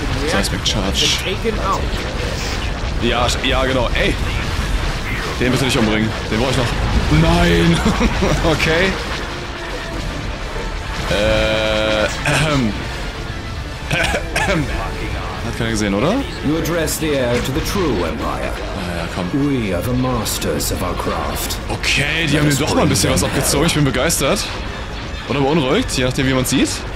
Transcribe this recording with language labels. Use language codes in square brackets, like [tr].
[de] Seismic Charge. Ja, ja, genau. Ey! Den bitte nicht umbringen. Den brauche ich noch. Nein! Okay. Hat keiner gesehen, oder? [en] You address the heir to the true empire. [de] Naja, komm. [en] We are the masters of our craft. [de] Okay, die haben mir doch mal ein bisschen was abgezogen. Ich bin begeistert. Oder beunruhigt, je nachdem, wie man sieht.